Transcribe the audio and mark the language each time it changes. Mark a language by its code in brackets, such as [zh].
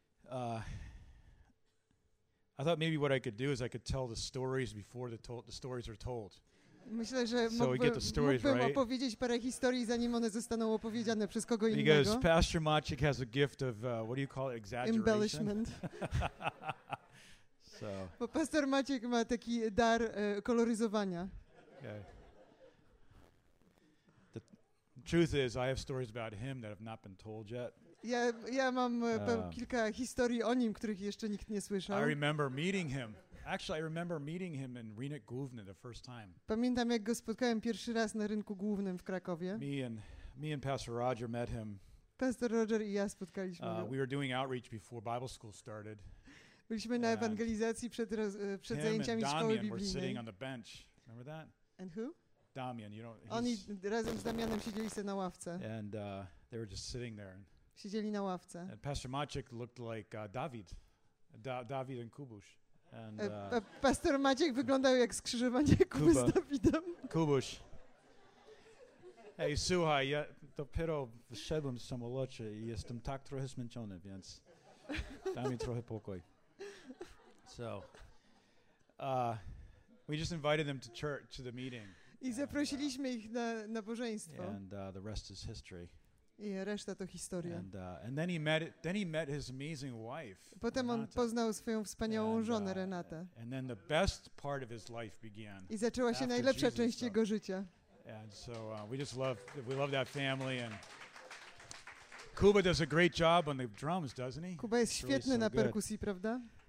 [en] I thought maybe what I could do is I could tell the stories before the stories are told. [pl] Myślę, że [en] so we get the stories right. [pl] Opowiedzieć parę historii, zanim one zostaną opowiedziane przez kogo innego. [en] Because Pastor Maciek has a gift of, what do you call it, exaggeration? Embellishment. So. [pl] Bo Pastor Maciek ma taki dar koloryzowania. [en] Okay. The truth is, I have stories about him that have not been told yet. [pl] Ja mam kilka historii o nim, których jeszcze nikt nie słyszał. [en] I remember meeting him. Actually, I remember meeting him in Rynek Główny the first time. [pl] Pamiętam, jak go spotkałem pierwszy raz na Rynku Głównym w Krakowie. [en] Me and Pastor Roger met him. [pl] Pastor Roger i ja spotkaliśmy go. [en] We were doing outreach before Bible school started. [pl] Byliśmy na ewangelizacji przed zajęciami szkoły biblijnej. [en] Him and Damian were sitting on the bench. Remember that? And who? Damian, you know. [pl] Oni razem z Damianem siedzieli sobie na ławce. [en] And they were just sitting there. [pl] Siedzieli na ławce. [en] And Pastor Maciek looked like David. David and Kubusz. [pl] Pastor Maciek wyglądał jak skrzyżowanie Kuby z Dawidem. Kubusz. Hej, słuchaj, ja dopiero wyszedłem z samolotu i jestem tak trochę zmęczony, więc daj mi trochę pokój. [en] So, we just invited them to church, to the meeting. [pl] I zaprosiliśmy ich na nabożeństwo. [en] And the rest is history. [pl] I reszta to historia. [en] And then he met his amazing wife. [pl] Potem on poznał swoją wspaniałą żonę Renatę. [en] And then the best part of his life began. [pl] I zaczęła się najlepsza część jego życia. [en] And so we love that family, and Kuba does a great job on the drums, doesn't he? [pl] Kuba jest świetny na perkusji, prawda?